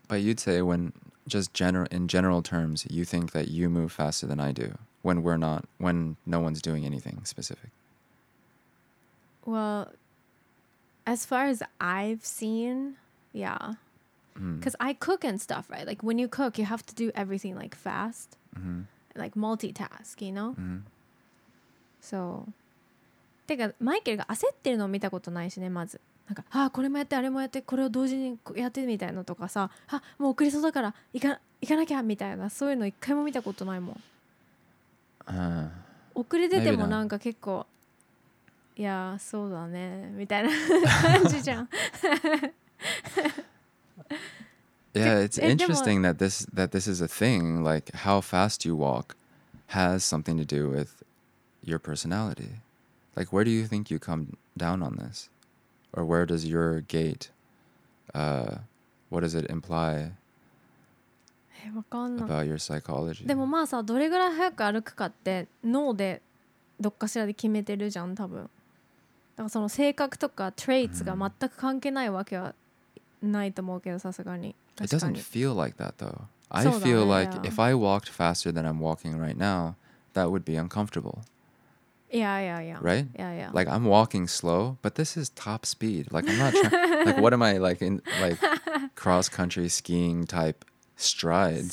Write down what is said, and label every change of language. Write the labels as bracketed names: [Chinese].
[English] But you'd say when just in general terms, you think that you move faster than I do when no one's doing anything specific. Well. As far as I've seen, yeah. Because I cook and stuff, right? Like, when you cook, you have to do everything, like, fast. Like, multitask, you know? So. [Japanese] てか、マイケルが焦ってるのを見たことないしね、まず。なんか、ああ、これもやって、あれもやって、これを同時にやってみたいなとかさ、あ、もう送りそうだから、行かなきゃみたいな、そういうの一回も見たことないもん。遅れててもなんか結構。いやそうだねみたいな感じじゃん。 [English] Yeah, it's interesting that this is a thing. Like how fast you walk has something to do with your personality. Like where do you think you come down on this, or where does your gait, what does it imply about your psychology? [Japanese] でもまあさ、どれぐらい速く歩くかって脳でどっかしらで決めてるじゃん、多分。だからその性格とか traits が全く関係ないわけはないと思うけど、さすがに。 [English] It doesn't feel like that though. I feel like if I walked faster than I'm walking right now, that would be uncomfortable. Yeah, yeah, yeah. Right? Yeah, yeah. Like I'm walking slow, but this is top speed. Like I'm not trying. Like what am I like in like cross country skiing type strides?